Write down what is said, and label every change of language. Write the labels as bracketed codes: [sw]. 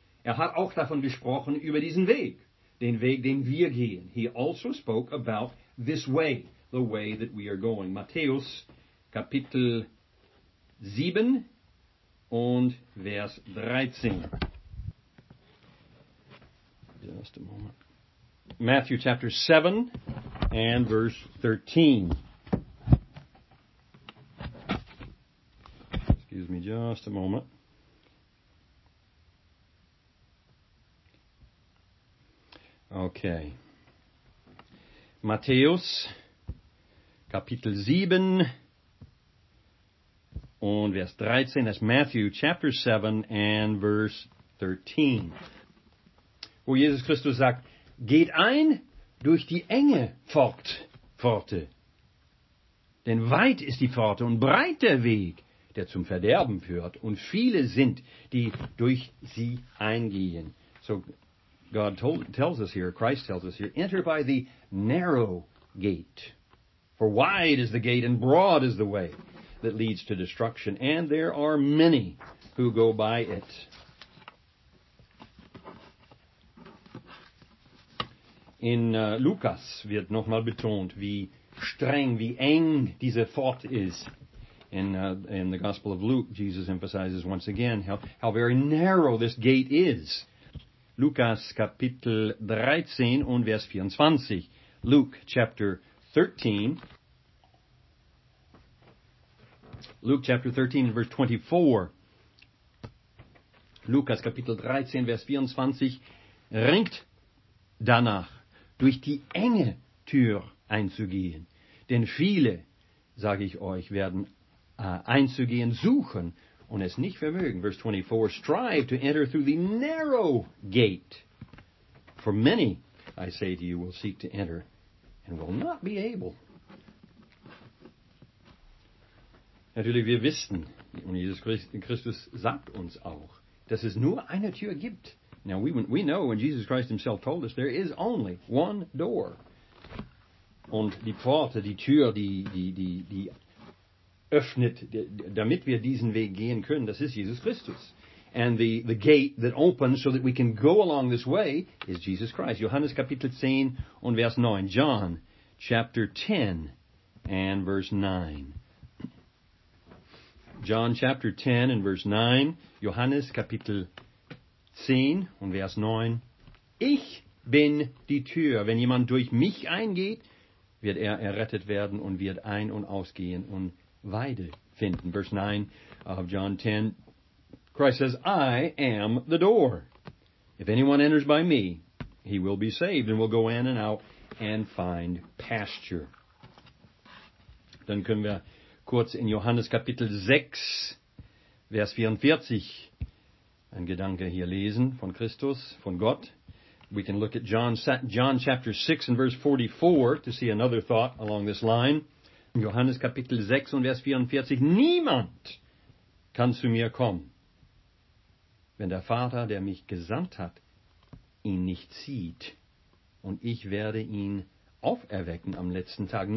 [de] Er hat auch davon gesprochen über diesen Weg, den Weg, den wir gehen. [en] He also spoke about this way, the way that we are going. [de] Matthäus Kapitel 7 und Vers 13. [en] Just a moment. Matthew chapter 7 and verse 13. Excuse me just a moment. [de] Okay. Matthäus, Kapitel 7 und Vers 13. [en] That's Matthew, chapter 7 and verse 13. [de] Wo Jesus Christus sagt, geht ein durch die enge Pforte. Denn weit ist die Pforte und breit der Weg, der zum Verderben führt. Und viele sind, die durch sie eingehen. [en] So, Christ tells us here, enter by the narrow gate. For wide is the gate and broad is the way that leads to destruction. And there are many who go by it. [de] In Lukas wird nochmal betont, wie streng, wie eng diese Pforte ist. [en] In the Gospel of Luke, Jesus emphasizes once again how very narrow this gate is. [de] Lukas Kapitel 13 und Vers 24. [en] Luke chapter 13. Luke chapter 13 and verse 24. [de] Lukas Kapitel 13 Vers 24. Ringt danach, durch die enge Tür einzugehen. Denn viele, sage ich euch, werden einzugehen suchen. Und es nicht vermögen. [en] Verse 24, strive to enter through the narrow gate. For many, I say to you, will seek to enter and will not be able. [de] Natürlich, wir wissen, und Jesus Christus sagt uns auch, dass es nur eine Tür gibt. [en] Now, we know, and Jesus Christ himself told us, there is only one door. [de] Und die Pforte, die Tür, die öffnet, damit wir diesen Weg gehen können, das ist Jesus Christus. [en] And the gate that opens so that we can go along this way is Jesus Christ. [de] Johannes Kapitel 10 und Vers 9. [en] John chapter 10 and verse 9. John chapter 10 and verse 9. [de] Johannes Kapitel 10 und Vers 9. Ich bin die Tür. Wenn jemand durch mich eingeht, wird er errettet werden und wird ein- und ausgehen und Weide finden. [en] Verse 9 of John 10. Christ says, I am the door. If anyone enters by me, he will be saved and will go in and out and find pasture. [de] Dann können wir kurz in Johannes Kapitel 6, Vers 44, ein Gedanke hier lesen von Christus, von Gott. [en] We can look at John chapter 6 and verse 44 to see another thought along this line. [de] Johannes Kapitel 6 und Vers 44, niemand kann zu mir kommen, wenn der Vater, der mich gesandt hat, ihn nicht zieht, und ich werde ihn auferwecken am letzten Tag.